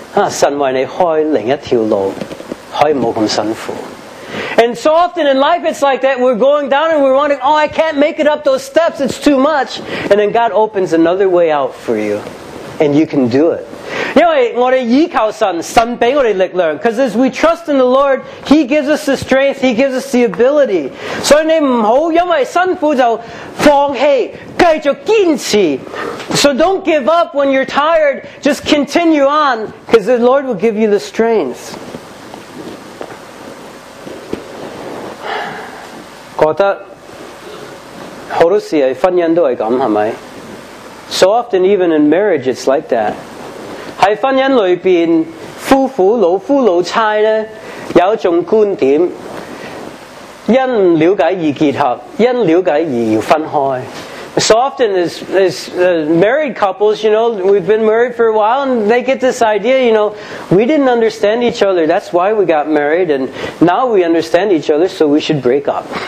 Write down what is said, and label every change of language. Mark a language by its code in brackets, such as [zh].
[yue] 神为你开另一条路，可以冇咁辛苦。 [en] And so often in life it's like that. We're going down and we're wondering, oh, I can't make it up those steps. It's too much. And then God opens another way out for you. And you can do it. [yue] 因为我哋依靠神，神俾我哋力量。 [en] Because as we trust in the Lord, He gives us the strength, He gives us the ability. [yue] 所以你唔好因为辛苦就放弃。 [en] So don't give up when you're tired. Just continue on because the Lord will give you the strength. [yue] 觉得好多时系婚姻都系咁，系咪？ [en] So often, even in marriage, it's like that. [yue] 在婚姻里面，夫妇老夫老妻呢，有一种观点，因不了解而结合，因了解而要分开。 [en] So often as married couples, you know, we've been married for a while and they get this idea, you know, we didn't understand each other, that's why we got married, and now we understand each other, so we should break up.